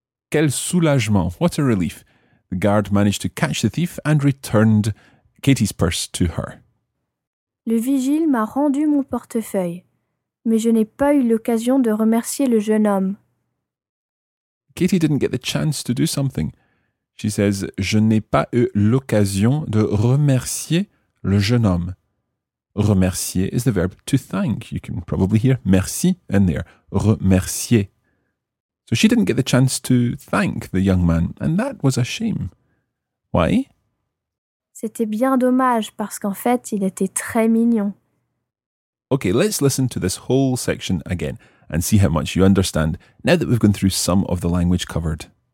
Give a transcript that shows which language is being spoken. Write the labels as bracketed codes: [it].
[fr] Quel soulagement, [en] what a relief. The guard managed to catch the thief and returned Katie's purse to her. [fr] Le vigile m'a rendu mon portefeuille, mais je n'ai pas eu l'occasion de remercier le jeune homme. [en] Kitty didn't get the chance to do something. She says, [fr] je n'ai pas eu l'occasion de remercier le jeune homme. [en] Remercier is the verb to thank. You can probably hear merci in there. Remercier. So she didn't get the chance to thank the young man, and that was a shame. Why? [fr] C'était bien dommage parce qu'en fait, il était très mignon. [en] Okay, let's listen to this whole section again and see how much you understand now that we've gone through some of the language covered.